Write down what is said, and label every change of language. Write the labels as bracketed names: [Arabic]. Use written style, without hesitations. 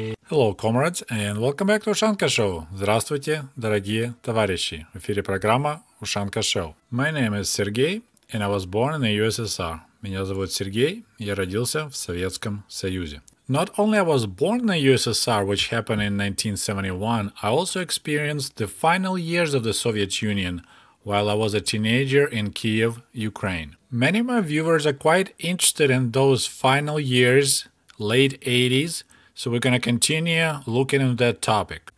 [English] Hello, comrades, and welcome back to Ushanka Show. [Russian] Здравствуйте, дорогие товарищи. В эфире программа Ushanka Show. [English] My name is Sergey, and I was born in the USSR. [Russian] Меня зовут Сергей, я родился в Советском Союзе. [English] Not only I was born in the USSR, which happened in 1971, I also experienced the final years of the Soviet Union while I was a teenager in Kyiv, Ukraine. Many of my viewers are quite interested in those final years, late 80s, so we're going to continue looking into that topic.